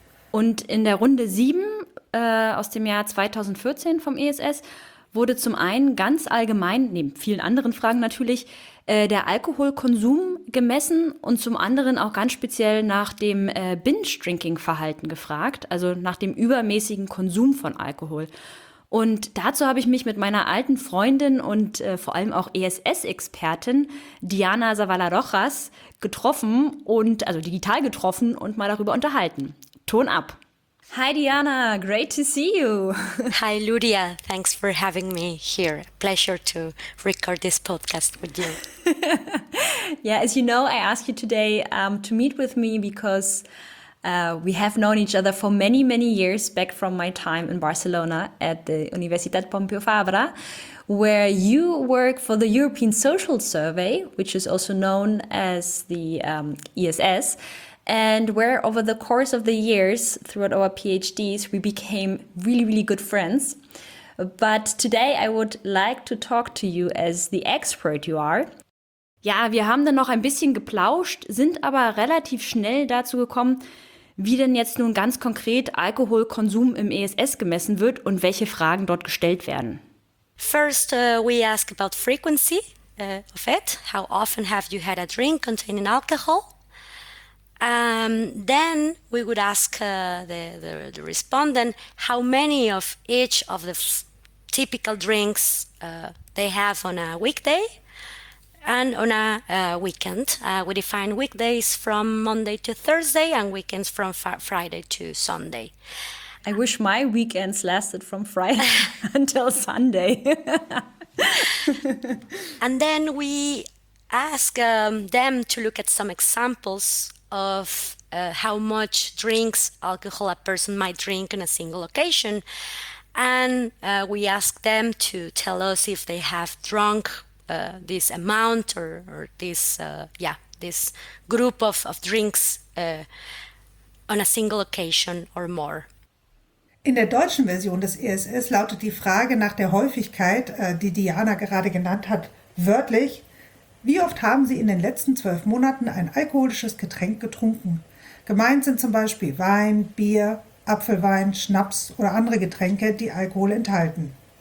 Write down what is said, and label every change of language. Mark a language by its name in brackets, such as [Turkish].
[German] Und in der Runde 7 aus dem Jahr 2014 vom ESS wurde zum einen ganz allgemein, neben vielen anderen Fragen natürlich, der Alkoholkonsum gemessen und zum anderen auch ganz speziell nach dem Binge-Drinking-Verhalten gefragt, also nach dem übermäßigen Konsum von Alkohol. Und dazu habe ich mich mit meiner alten Freundin und vor allem auch ESS-Expertin Diana Zavala-Rojas getroffen und also digital getroffen und mal darüber unterhalten. Ton ab. [English] Hi Diana, great to see you. Hi Lydia, thanks for having me here. Pleasure to record this podcast with you. Yeah, as you know, I asked you today to meet with me because we have known each other for many, many years back from my time in Barcelona at the Universitat Pompeu Fabra, where you work for the European Social Survey, which is also known as the ESS, and where over the course of the years throughout our PhDs, we became really, really good friends. But today I would like to talk to you as the expert you are. [German] Ja, wir haben dann noch ein bisschen geplauscht, sind aber relativ schnell dazu gekommen, wie denn jetzt nun ganz konkret Alkoholkonsum im ESS gemessen wird und welche Fragen dort gestellt werden. [English] First, we ask about frequency of it. How often have you had a drink containing alcohol? Then we would ask the respondent how many of each of the typical drinks they have on a weekday and on a weekend. We define weekdays from Monday to Thursday and weekends from Friday to Sunday. I wish my weekends lasted from Friday until Sunday. And then we ask them to look at some examples of how much drinks alcohol a person might drink in a single occasion. And we ask them to tell us if they have drunk this amount or this this group of drinks on a single occasion or more. [German] In der deutschen Version des ESS lautet die Frage nach der Häufigkeit, die Diana gerade genannt hat, wörtlich: Wie oft haben Sie in den letzten 12 Monaten ein alkoholisches Getränk getrunken? Gemeint sind zum Beispiel Wein, Bier, Apfelwein, Schnaps oder andere Getränke, die Alkohol enthalten.